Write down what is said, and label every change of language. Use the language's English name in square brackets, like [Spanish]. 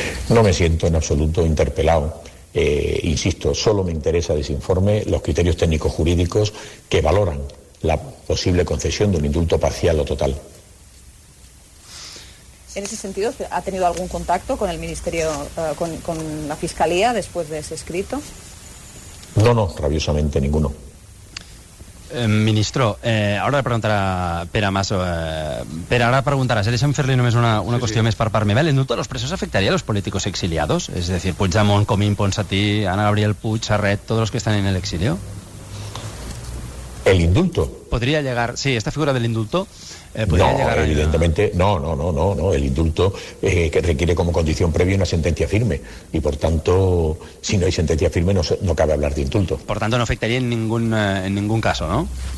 [Spanish] No me siento en absoluto interpelado. Insisto, solo me interesa de ese informe los criterios técnicos jurídicos que valoran la posible concesión de un indulto parcial o total. En ese sentido, ¿ha tenido algún contacto con el Ministerio, con la Fiscalía después de ese escrito? No, rabiosamente ninguno. [Catalan] Ministro, ahora le preguntarà Pere Mas, però ara preguntarà, si deixem fer-li només una qüestió més per part meva, l'indulto dels presos afectaria els polítics exiliats? És a dir, Puigdemont, Comín, Ponsatí, Anna Gabriel Puig, Serret, tots els que estan en l'exili? [Spanish] El indulto. Podria llegar, sí, esta figura de l'indulto. No, el indulto que requiere como condición previa una sentencia firme y por tanto, si no hay sentencia firme no cabe hablar de indulto. Por tanto, no afectaría en ningún caso, ¿no?